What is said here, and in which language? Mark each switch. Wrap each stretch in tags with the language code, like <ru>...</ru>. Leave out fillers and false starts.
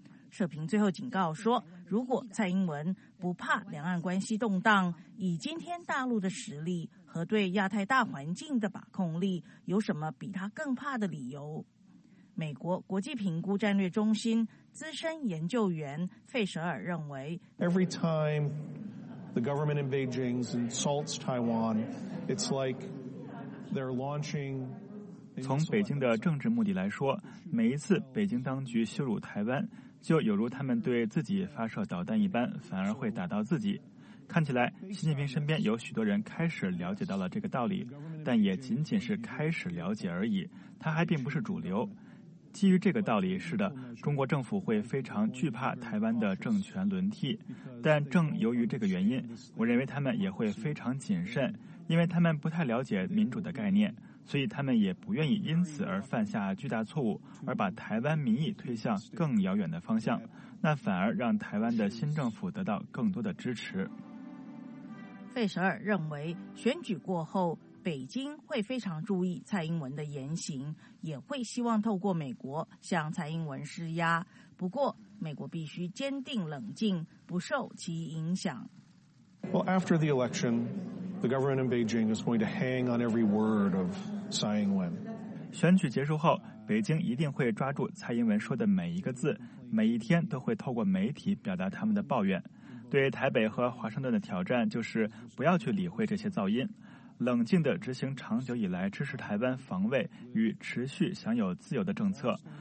<zh>社评最后警告说，如果蔡英文不怕两岸关系动荡，以今天大陆的实力和对亚太大环境的把控力，有什么比他更怕的理由？美国国际评估战略中心资深研究员费舍尔认为</zh> <en>Every time The government in Beijing insults Taiwan. It's like they're launching...</en> <zh>从北京的政治目的来说，每一次北京当局羞辱台湾，就有如他们对自己发射导弹一般，反而会打到自己。看起来，习近平身边有许多人开始了解到了这个道理，但也仅仅是开始了解而已，他还并不是主流。基于这个道理，是的，中国政府会非常惧怕台湾的政权轮替，但正由于这个原因，我认为他们也会非常谨慎，因为他们不太了解民主的概念。所以他们也不愿意因此而犯下巨大错误，而把台湾民意推向更遥远的方向，那反而让台湾的新政府得到更多的支持。费舍尔认为，选举过后，北京会非常注意蔡英文的言行，也会希望透过美国向蔡英文施压。不过，美国必须坚定冷静，不受其影响。</zh> <en>Well, after the election,The government in Beijing is going to hang on every word of Tsai Ing-wen.</en> <zh>选举结束后，北京一定会抓住蔡英文说的每一个字，每一天都会透过媒体表达他们的抱怨。对台北和华盛顿的挑战就是不要去理会这些噪音，冷静地执行长久以来支持台湾防卫与持续享有自由的政策。</zh>